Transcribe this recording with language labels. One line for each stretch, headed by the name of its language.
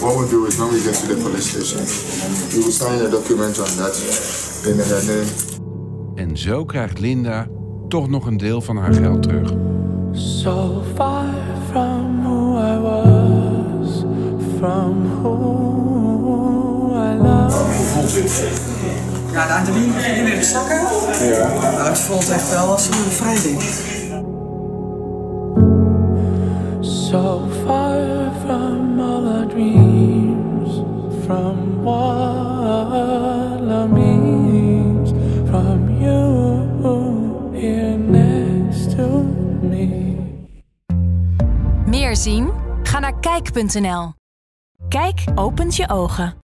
English: What we do is, when we get to the police station, we will sign a document on that in her name.
Dutch: En zo krijgt Linda toch nog een deel van haar geld terug.
English: So far from who I was, from who I loved.
Dutch: Ja, de adrenaline begint weer te zakken. Ja. Maar het voelt echt wel als een bevrijding.
English: So far from all our dreams, from what love means, from you.
Dutch: Meer zien? Ga naar kijk.nl. Kijk opent je ogen.